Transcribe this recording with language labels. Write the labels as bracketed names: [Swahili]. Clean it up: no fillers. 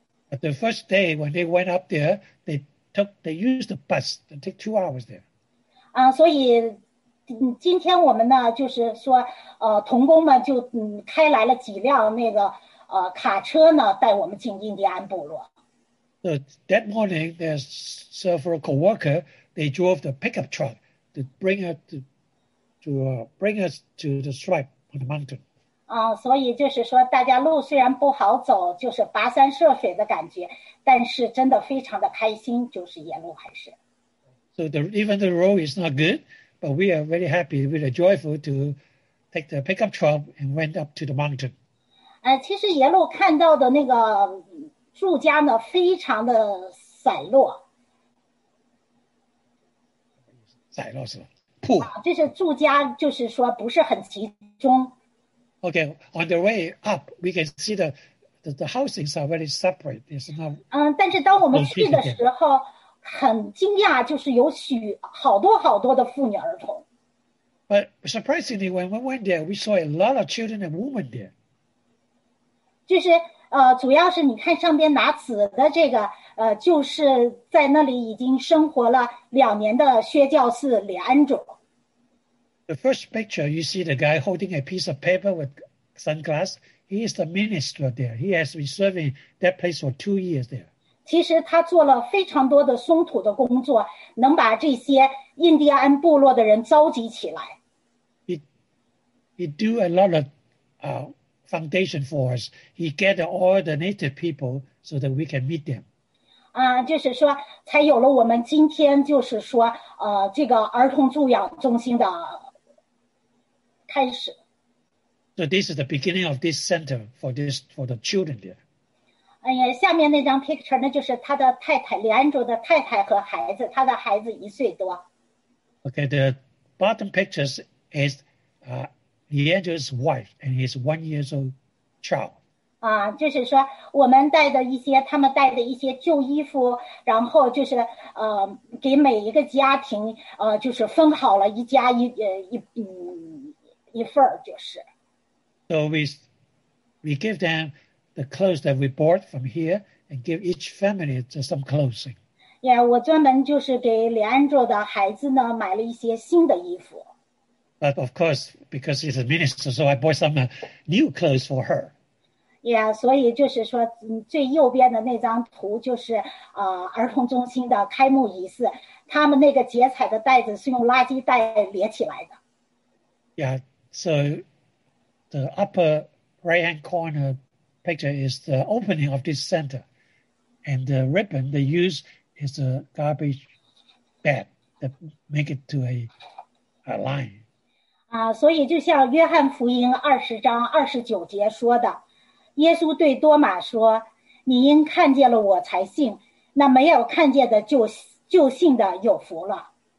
[English] But the first day when they went up there, they used the bus to take 2 hours there. [Chinese] 所以今天我们呢，就是说童工们就开来了几辆那个卡车呢，带我们进印第安部落。 [English] So that morning, there's several co-workers. They drove the pickup truck to bring us to the tribe on the mountain. [Chinese] 所以就是说，大家路虽然不好走，就是跋山涉水的感觉，但是真的非常的开心，就是沿路还是。 [English] So even the road is not good, but we are very happy, really joyful to take the pickup truck and went up to the mountain. [Chinese] 其实沿路看到的那个住家呢，非常的散落。散落是吧？铺。这是住家，就是说不是很集中。 [English] Okay, on the way up, we can see the housings are very separate. It's not. [Chinese] 但是当我们去的时候，很惊讶，就是有许好多好多的妇女儿童。 [English] But surprisingly, when we went there, we saw a lot of children and women there. [Chinese] 就是主要是你看上边拿紫的这个就是在那里已经生活了两年的薛教士李安佐。 [English] The first picture, you see the guy holding a piece of paper with sunglass. He is the minister there. He has been serving that place for 2 years there. [Chinese] 其实他做了非常多的松土的工作，能把这些印第安部落的人召集起来。 [English] He do a lot of foundation for us. He gather all the native people so that we can meet them. [Chinese] 就是说才有了我们今天就是说这个儿童住养中心的开始。 [English] So this is the beginning of this center for the children there. [Chinese] 下面那张 picture 呢，就是他的太太李安卓的太太和孩子，他的孩子一岁多。 [English] Okay, the bottom pictures is Leandro's wife and his 1 year old child. [Chinese] 就是说我们带的一些，他们带的一些旧衣服，然后就是给每一个家庭就是分好了一家一份就是。 [English] So we give them the clothes that we bought from here and give each family just some clothing. [Chinese] Yeah, 我专门就是给 Leandro 的孩子呢买了一些新的衣服。 [English] But of course, because she's a minister, so I bought some new clothes for her. [Chinese] Yeah, 所以就是说最右边的那张图就是儿童中心的开幕仪式，他们那个结彩的袋子是用垃圾袋连起来的。 [English] Yeah, so the upper right-hand corner picture is the opening of this center. And the ribbon they use is a garbage bag that make it to a line. [Chinese] 所以就像约翰福音20:29说的，耶稣对多马说，你因看见了我才信，那没有看见的就信的有福了。